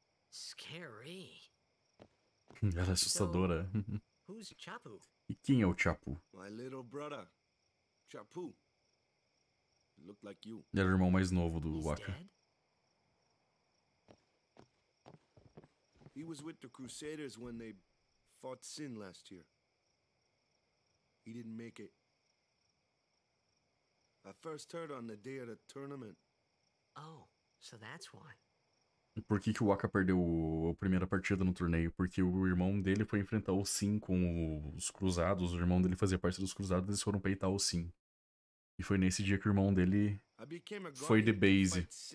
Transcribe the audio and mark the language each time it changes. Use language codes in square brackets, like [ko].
[en] Scary. [pt] Ela é assustadora. [en] Who's Chapu? [pt] E quem é o Chapu? [en] My little brother. Chapu. Looked like you. [pt] Ele era o irmão mais novo do Waka. [en] He was with the Crusaders when they fought Sin last year. He didn't make it. I first heard on the day of the tournament. Oh, so that's why. [pt] Por que que o Waka perdeu a primeira partida no torneio? Porque o irmão dele foi enfrentar o Sin com os cruzados. O irmão dele fazia parte dos cruzados e eles foram peitar o Sin. E foi nesse dia que o irmão dele foi de base.